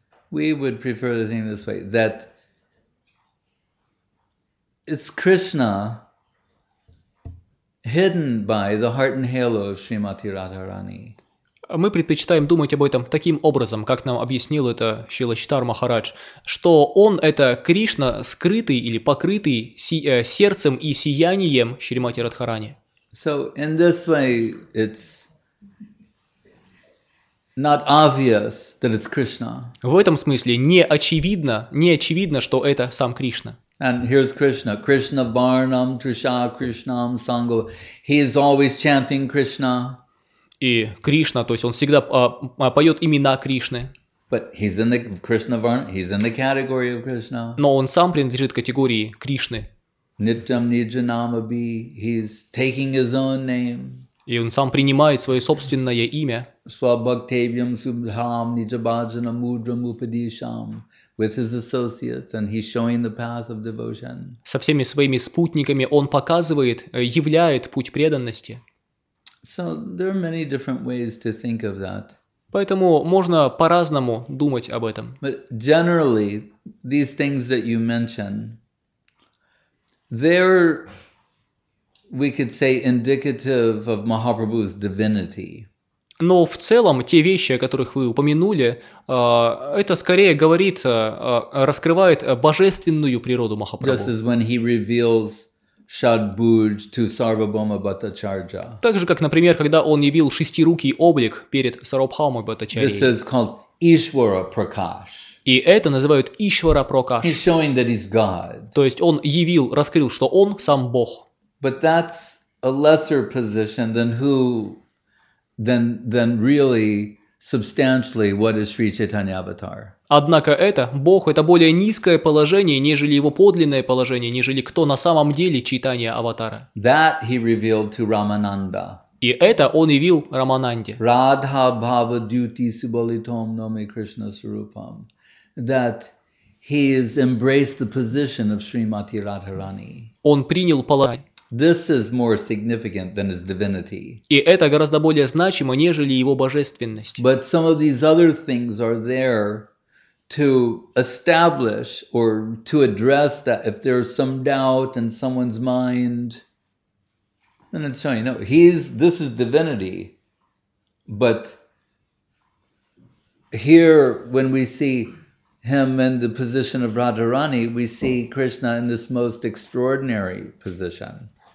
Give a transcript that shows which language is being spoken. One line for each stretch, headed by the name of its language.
English: We would prefer to think this way, that it's Krishna hidden by the heart and halo of Srimati Radharani.
Russian: Мы предпочитаем думать об этом таким образом, как нам объяснил это Шрила Чайтанья Махарадж, что он – это Кришна, скрытый или покрытый сердцем и сиянием Шримати Радхарани.
English: So in this way, it's not obvious that it's Krishna.
Russian: В этом смысле не очевидно, что это сам Кришна.
English: And here's Krishna.
Sanskrit: Krishna Varnam Trisha Krishnam Sango.
English: He is always chanting Krishna.
Russian: И Кришна, то есть он всегда поет имена Кришны.
English: But he's in the Krishna Varnam, he's in the category of Krishna.
Russian: Но он сам принадлежит категории Кришны.
Sanskrit: Nityam Nijanamabhi,
English: he's taking his own name.
Russian: И он сам принимает свое собственное имя.
Sanskrit: Swabhaktavyam Subham Nijabhajanam Mudram Upadisham
English: with his associates, and he's showing the path of devotion.
Russian: Со всеми своими спутниками он показывает, являет путь преданности.
English: So there are many different ways to think of that.
Russian: Поэтому можно по-разному думать об этом.
English: But generally, these things that you mention, they're, we could say, indicative of Mahaprabhu's divinity.
Russian: Но в целом те вещи, о которых вы упомянули, это скорее говорит, раскрывает божественную природу Махапрабху.
English: Just as when he reveals Shadbhuj to Sarvabhauma Bhattacharya.
Russian: Так же, как, например, когда он явил шестирукий облик перед Сарвабхаумой Бхаттачарьей.
English: This is called Ishvara Prakash.
Russian: И это называют Ишвара Прокаш.
English: He's showing that he's God.
Russian: То есть он явил, раскрыл, что он сам Бог.
English: But that's a lesser position than who, than really substantially what is Sri Chaitanya Avatar.
Russian: Однако это Бог, это более низкое положение, нежели его подлинное положение, нежели кто на самом деле Чайтанья Аватара.
English: That he revealed to Рамананда.
Russian: И это он явил Рамананде.
Sanskrit: Radha Bhava Duti Subalitom Nome Krishna Sarupam.
English: That he has embraced the position of Srimati Radharani.
Russian: Он принял положение.
English: This is more significant than his divinity.
Russian: И это гораздо более значимо, нежели его божественность.
English: But some of these other things are there to establish or to address that if there's some doubt in someone's mind. And it's showing, no, this is divinity. But here, when we see him in the position of Radharani, we see Krishna in this most extraordinary position.